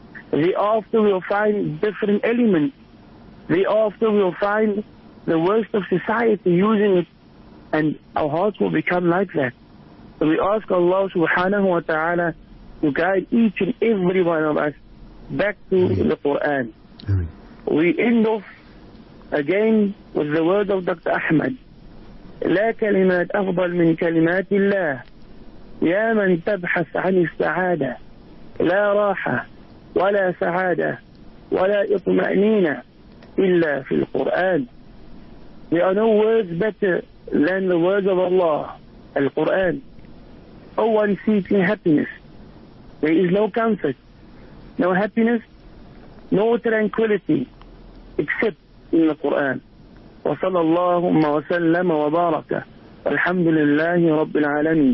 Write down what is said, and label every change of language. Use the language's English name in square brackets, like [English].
[English] Thereafter we'll find different elements. Thereafter we'll find the worst of society using it, and our hearts will become like that. So we ask Allah subhanahu wa ta'ala to guide each and every one of us back to the Quran. We end off again with the word of Dr. Ahmed. [Arabic] لا كلمات أفضل من كلمات الله يا من تبحث عن السعادة لا راحة ولا سعادة ولا إطمأنينة إلا في القرآن. [English] There are no words better than the words of Allah, Al-Quran. No one seeking happiness. There is no comfort, no happiness, no tranquility, except in the Quran. [Arabic] وصلى الله وسلم وبارك الحمد لله رب العالمين.